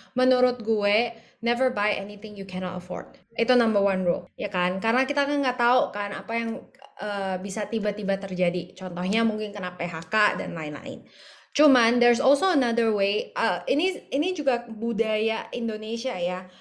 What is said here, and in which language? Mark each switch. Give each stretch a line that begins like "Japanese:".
Indonesian: Menurut gue,
English: never buy anything you cannot afford.
Indonesian: Itu
English: number one rule,
Indonesian: ya kan? Karena kita kan nggak tahu kan apa yang bisa tiba-tiba terjadi. Contohnya mungkin kena PHK dan lain-lain.
English: Cuman there's also another way.
Indonesian: Ini juga budaya Indonesia ya.